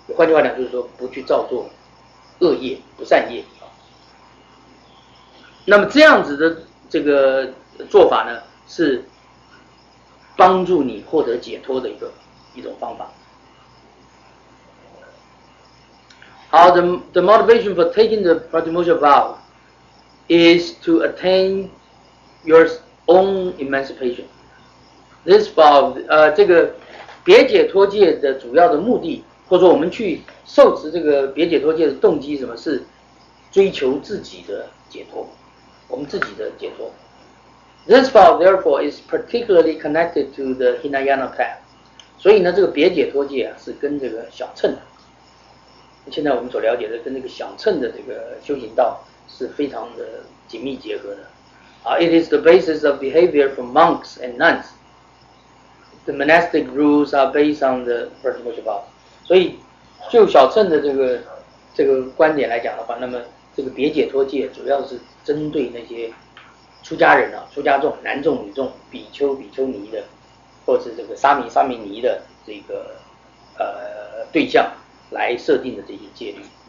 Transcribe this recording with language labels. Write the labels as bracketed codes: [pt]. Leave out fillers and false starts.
[zh] 换句话讲，就是说不去造作恶业、不善业。啊、那么这样子的这个做法呢，是。帮助你获得解脱的一种方法。好 [en] ，the motivation for taking the Pratimosha vow is to attain your own emancipation. This vow， [zh] 这个别解脱戒的主要的目的，或者说我们去受持这个别解脱戒的动机，什么是追求自己的解脱，我们自己的解脱。 [en] This vow, therefore, is particularly connected to the Hinayana path. [zh] 所以呢，这个别解脱戒啊，是跟这个小乘的。现在我们所了解的，跟这个小乘的这个修行道是非常的紧密结合的。 [en] It is the basis of behavior for monks and nuns. The monastic rules are based on the Pratimosha vow. [zh] 所以，就小乘的这个观点来讲的话，那么这个别解脱戒主要是针对那些。出家人啊，出家众，男众、女众，比丘尼的，或是这个沙弥尼的这个对象来设定的这些戒律。